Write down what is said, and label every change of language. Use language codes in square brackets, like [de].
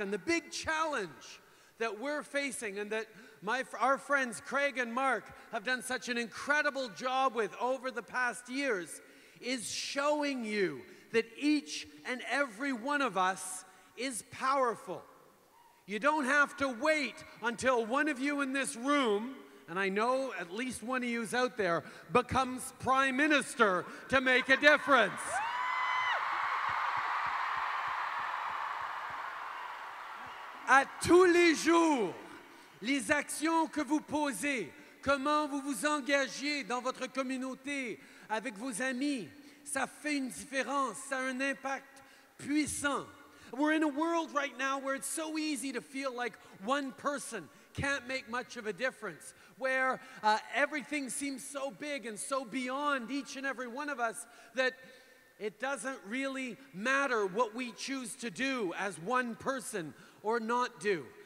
[en] And the big challenge that we're facing, and that our friends Craig and Mark have done such an incredible job with over the past years, is showing you that each and every one of us is powerful. You don't have to wait until one of you in this room, and I know at least one of you's out there, becomes Prime Minister to make a difference. [fr] À tous les jours, les actions que vous posez, comment vous vous engagez dans votre communauté, avec vos amis, ça fait une différence, ça a un impact puissant. [en] We're in a world right now where it's so easy to feel like one person can't make much of a difference, where everything seems so big and so beyond each and every one of us that it doesn't really matter what we choose to do as one person or not do.